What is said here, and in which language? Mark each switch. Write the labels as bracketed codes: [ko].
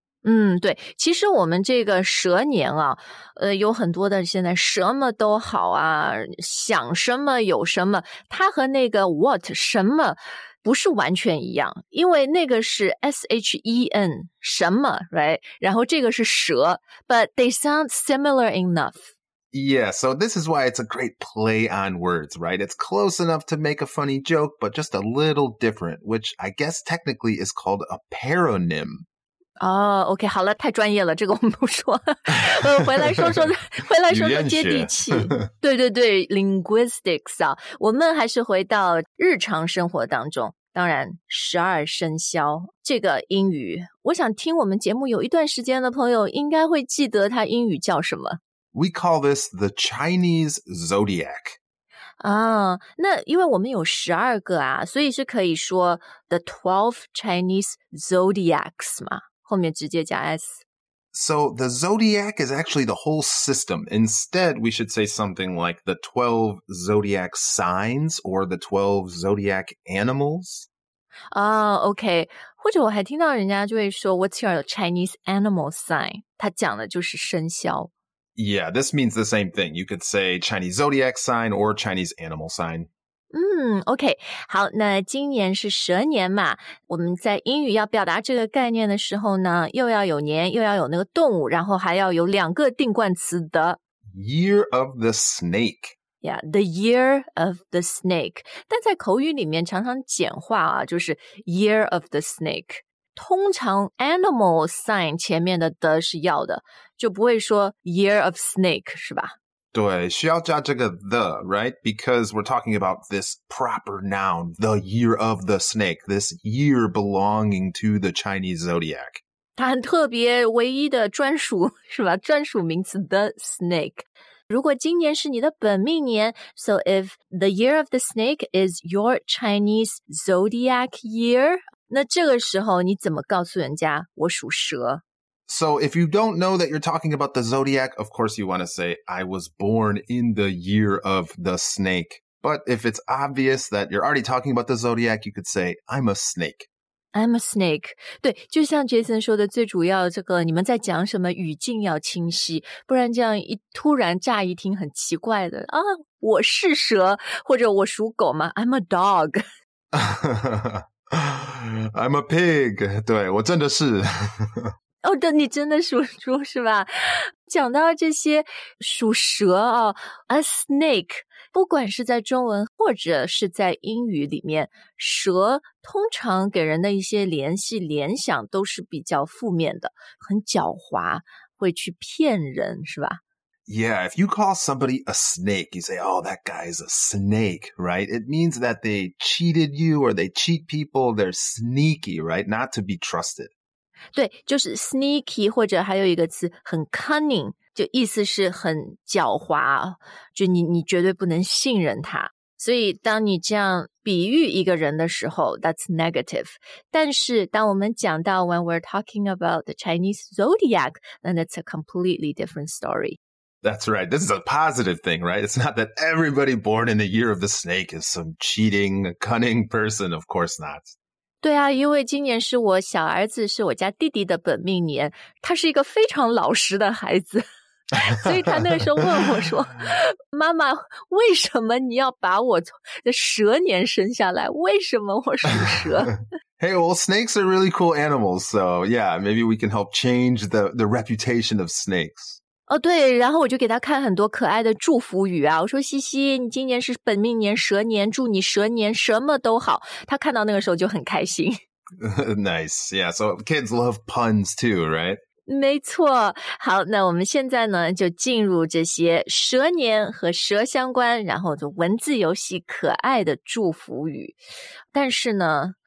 [zh] 嗯，对，其实我们这个蛇年啊，有很多的现在什么都好啊，想什么有什么，它和那个 what 什么不是完全一样，因为那个是 S-H-E-N 什么 right， 然后这个是蛇， [en] but they sound similar enough。 Yeah, so this is why it's a great play on words, right? It's close enough to make a funny joke, but just a little different, which I guess technically is called a paronym. [zh] OK, 好了，太专业了，这个我们不说。回来说说接地气。对对对 ,linguistics 啊。我们还是回到日常生活当中。当然十二生肖这个英语。我想听我们节目有一段时间的朋友应该会记得它英语叫什么。 [en] We call this the Chinese Zodiac. [zh] 啊，那因为我们有十二个啊，所以是可以说 [en] the 12 Chinese Zodiacs [zh] 嘛。后面直接加 S. [en] So the zodiac is actually the whole system. Instead, we should say something like the 12 zodiac signs or the 12 zodiac animals. [zh] Okay. 或者我还听到人家就会说 [en] What's your Chinese animal sign? [zh] 它讲的就是生肖。 [en] Yeah, this means the same thing. You could say Chinese zodiac sign or Chinese animal sign. [zh] OK, 好，那今年是蛇年嘛，我们在英语要表达这个概念的时候呢，又要有年，又要有那个动物，然后还要有两个定冠词的。 [en] Year of the snake. Yeah, the year of the snake. [zh] 但在口语里面常常简化啊，就是 [en] year of the snake. [zh] 通常 animal sign 前面的的是要的，就不会说 [en] year of snake, [zh] 是吧？对，需要加这个 the, right? [en] Because we're talking about this proper noun, the year of the snake, this year belonging to the Chinese zodiac. [zh] 它很特别，唯一的专属，是吧？专属名词 the snake. 如果今年是你的本命年 [en] so if the year of the snake is your Chinese zodiac year, [zh] 那这个时候你怎么告诉人家我属蛇？ [en] So if you don't know that you're talking about the zodiac, of course you want to say, I was born in the year of the snake. But if it's obvious that you're already talking about the zodiac, you could say, I'm a snake. I'm a snake. [zh] 对，就像 Jason 说的，最主要这个你们在讲什么语境要清晰，不然这样一突然乍一听很奇怪的啊，我是蛇，或者我属狗吗？ [en] I'm a dog. [zh] I'm a pig. 对，我真的是。哦，对，你真的属猪是吧？讲到这些属蛇啊 ，a snake， 不管是在中文或者是在英语里面，蛇通常给人的一些联系联想都是比较负面的，很狡猾，会去骗人是吧 [en] ？Yeah, if you call somebody a snake, you say, "Oh, that guy is a snake," right? It means that they cheated you or they cheat people. They're sneaky, right? Not to be trusted. [zh] 对，就是 sneaky 或者还有一个词很 cunning， 就意思是很狡猾，就你绝对不能信任他。所以当你这样比喻一个人的时候 ， [en] that's negative。 [zh] 但是当我们讲到 [en] when we're talking about the Chinese zodiac， then it's a completely different story。 That's right. This is a positive thing, right? It's not that everybody born in the year of the snake is some cheating, cunning person. Of course not. [zh] 对啊，因为今年是我小儿子，是我家弟弟的本命年。他是一个非常老实的孩子。所以他那时候问我说，妈妈，为什么你要把我蛇年生下来？为什么我属蛇？ [en] Hey, well, snakes are really cool animals, so yeah, maybe we can help change the reputation of snakes. [zh] 哦，对，然后我就给他看很多可爱的祝福语啊，我说西西，你今年是本命年蛇年，祝你蛇年什么都好。他看到那个时候就很开心。 [en] Nice, yeah. So kids love puns too, right? [zh] 没错。好，那我们现在呢就进入这些蛇年和蛇相关，然后就文字游戏可爱的祝福语，但是呢。